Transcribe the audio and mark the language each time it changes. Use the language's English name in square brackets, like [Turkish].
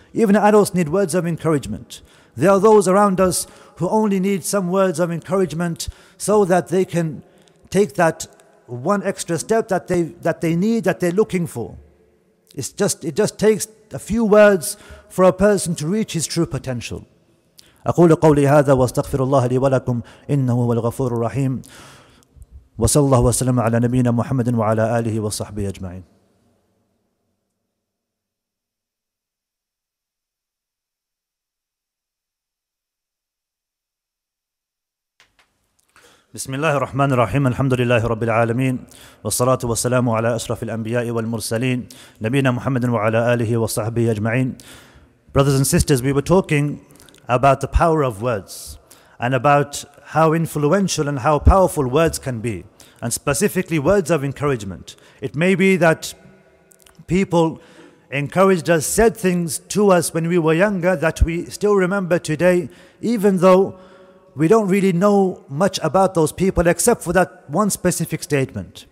[English] Even adults need words of encouragement. There are those around us who only need some words of encouragement so that they can take that one extra step that they need, that they're looking for. It just takes a few words for a person to reach his true potential. [Arabic] أقول قولي هذا واستغفر الله لي ولكم إنه هو الغفور الرحيم وصلى الله وسلم على نبينا محمد وعلى آله وصحبه أجمعين. بسم الله الرحمن الرحيم. الحمد لله رب العالمين، والصلاة والسلام على أشرف الأنبياء والمرسلين، نبينا محمد وعلى آله وصحبه أجمعين. [English] Brothers and sisters, we were talking about the power of words and about how influential and how powerful words can be, and specifically words of encouragement. It may be that people encouraged us, said things to us when we were younger that we still remember today, even though we don't really know much about those people except for that one specific statement.